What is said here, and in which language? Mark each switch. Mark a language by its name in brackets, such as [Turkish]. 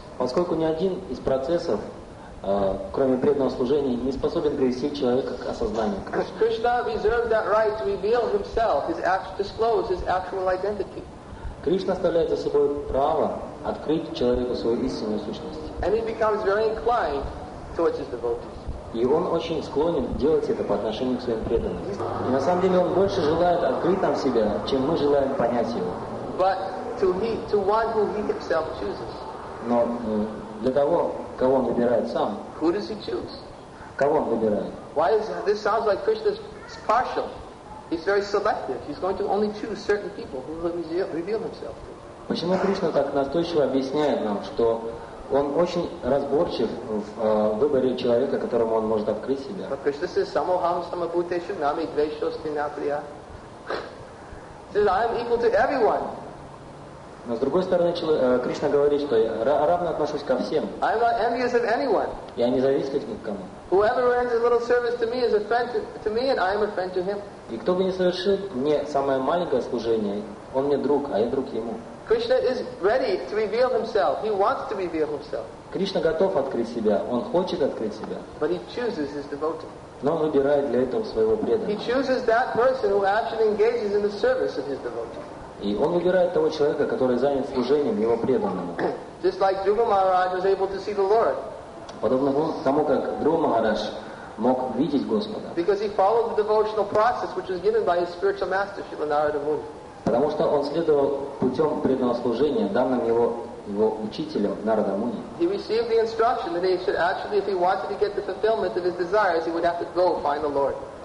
[Russian] Поскольку ни один из процессов, кроме преданного служения, не способен привести человека к осознанию Кришны. [English] Krishna reserved that right to reveal himself, disclose his actual identity. [Russian] Кришна оставляет за собой право открыть человеку свою истинную сущность. [English] And he becomes very inclined towards his devotees. [Russian] И он очень склонен делать это по отношению к своим преданным. И на самом деле он больше желает открыть нам себя, чем мы желаем понять его. [English] But to one who he himself chooses. [Russian] Но для того, кого он выбирает сам. [English] Who does he choose? [Russian] Кого он выбирает? [English] Why is this sounds like Krishna is partial? He's very selective. He's going to only choose certain people who will reveal himself to. [Russian] Почему Кришна так настойчиво объясняет нам, что он очень разборчив в выборе человека, которому он может открыть себя? [English] But Krishna says, [Sanskrit] Samoham Samabhuteshu Nami Dveshostinapriya. [English] He says, I am equal to everyone. [Russian] Но с другой стороны, Кришна говорит, что я равно отношусь ко всем. [English] I am not envious of anyone. [Russian] Я не завистлив ни к кому. [English] Whoever rends a little service to me is a friend to me, and I am a friend to him. [Russian] И кто бы не совершил мне самое маленькое служение, он мне друг, а я друг ему. [English] Krishna is ready to reveal himself. He wants to reveal himself. [Russian] Кришна готов открыть себя. Он хочет открыть себя. [English] But he chooses his devotee. [Russian] Но он выбирает для этого своего преданного. [English] He chooses that person who actually engages in the service of his devotee. [Russian] И он выбирает того человека, который занят служением его преданному. [English] Just like Dhruva Maharaj was able to see the Lord. [Russian] Подобно тому, как Дхрува Махарадж мог видеть Господа. [English] Because he followed the devotional process, which was given by his spiritual master, Śrīla Nārada Muni. [Russian] Потому что он следовал путем преданного служения, данным его учителем Нарада Муни. [English] He received the instruction that he should actually, if he wanted to get the fulfillment of his desires, he would have to go find the Lord.